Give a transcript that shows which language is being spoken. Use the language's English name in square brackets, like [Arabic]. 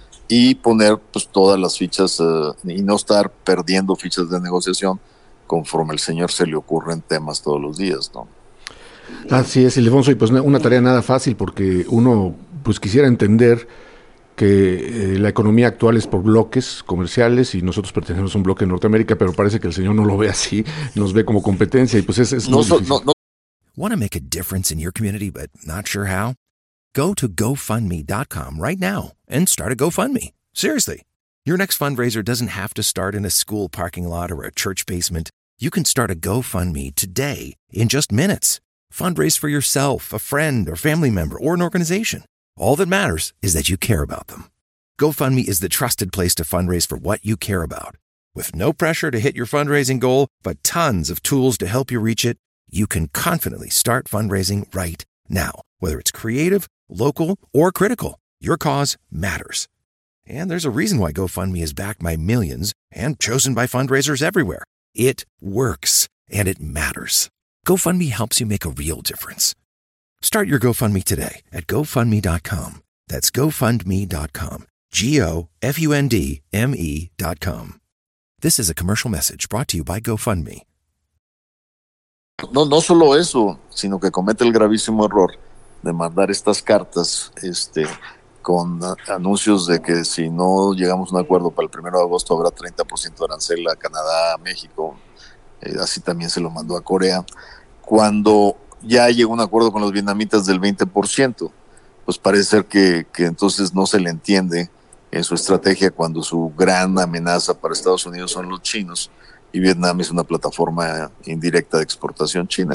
[Spanish] Y poner pues todas las fichas y no estar perdiendo fichas de negociación conforme el señor se le ocurren temas todos los días, ¿no? Así es, Ildefonso, y pues una tarea nada fácil porque uno pues quisiera entender que la economía actual es por bloques comerciales y nosotros pertenecemos a un bloque en Norteamérica, pero parece que el señor no lo ve así, nos ve como competencia y pues es no, muy difícil. No, no. [English] Want to make a difference in your community but not sure how? Go to GoFundMe.com right now and start a GoFundMe. Seriously, your next fundraiser doesn't have to start in a school parking lot or a church basement. You can start a GoFundMe today in just minutes. Fundraise for yourself, a friend, or family member, or an organization. All that matters is that you care about them. GoFundMe is the trusted place to fundraise for what you care about. With no pressure to hit your fundraising goal, but tons of tools to help you reach it, you can confidently start fundraising right now. Whether it's creative, local, or critical, your cause matters. And there's a reason why GoFundMe is backed by millions and chosen by fundraisers everywhere. It works, and it matters. GoFundMe helps you make a real difference. Start your GoFundMe today at GoFundMe.com. That's GoFundMe.com. GoFundMe.com. This is a commercial message brought to you by GoFundMe. [Spanish] No, no solo eso, sino que comete el gravísimo error de mandar estas cartas con anuncios de que si no llegamos a un acuerdo para el 1 de agosto habrá 30% de arancel a Canadá, a México, así también se lo mandó a Corea, cuando ya llegó un acuerdo con los vietnamitas del 20%, pues parece ser que entonces no se le entiende en su estrategia cuando su gran amenaza para Estados Unidos son los chinos y Vietnam es una plataforma indirecta de exportación china.